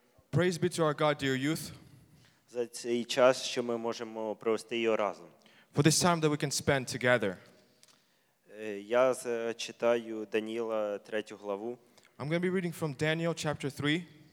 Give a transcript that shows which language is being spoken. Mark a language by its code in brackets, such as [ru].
[en] Praise be to our God, dear youth. [uk] За цей час, що ми можемо провести його разом. [en] For this time that we can spend together. [uk] Я зачитаю Даніла 3 главу. [en] I'm going to be reading from Daniel chapter 3.